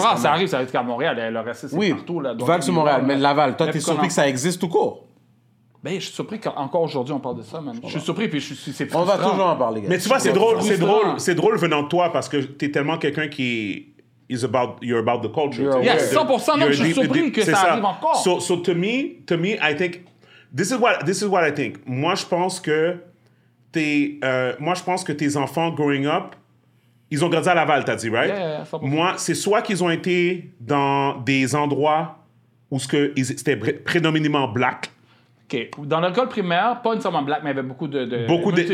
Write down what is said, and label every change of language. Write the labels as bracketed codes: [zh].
[fr] Plus rare, ça arrive, ça arrive qu'à Montréal. Le reste, c'est partout. Oui, Val sur Montréal. Mais Laval, toi, t'es surpris que ça existe tout court. Ben, je suis surpris qu'encore aujourd'hui, on parle de ça, man. Je suis surpris, puis c'est frustrant. On va toujours en parler, gars. Mais tu vois, c'est drôle venant de toi parce que t'es tellement quelqu'un qui. [en] You're about the culture. [fr] Yeah, 100%, non, je suis surpris que ça arrive encore. [en] So to me, I think, this is what I think. [fr] Moi, je pense que tes enfants, [en] growing up, [fr] ils ont grandi à Laval, t'as dit, right? Yeah, 100%. Moi, c'est soit qu'ils ont été dans des endroits où c'était prédominamment black. Okay. Dans l'école primaire, pas nécessairement black, mais il y avait beaucoup de